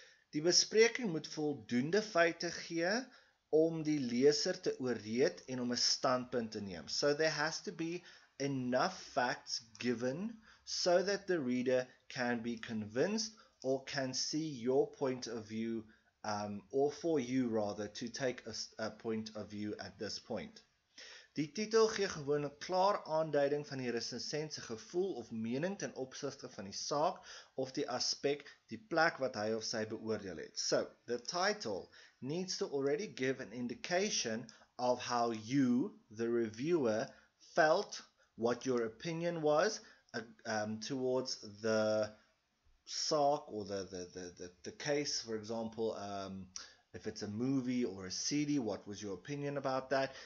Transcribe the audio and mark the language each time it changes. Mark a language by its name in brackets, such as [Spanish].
[Afrikaans] Die bespreking moet voldoende feite gee om die leser te ooreed en om 'n standpunt te neem. [English] So there has to be enough facts given so that the reader can be convinced or can see your point of view, or for you rather, to take a point of view at this point. [Afrikaans] Die titel gee gewoon 'n klaar aanduiding van die resensent se gevoel of mening ten opsigte van die saak of die aspek, die plek wat hy of sy beoordeel het. [English] So, the title needs to already give an indication of how you, the reviewer, felt, what your opinion was towards the saak or the case, for example, if it's a movie or a CD, what was your opinion about that?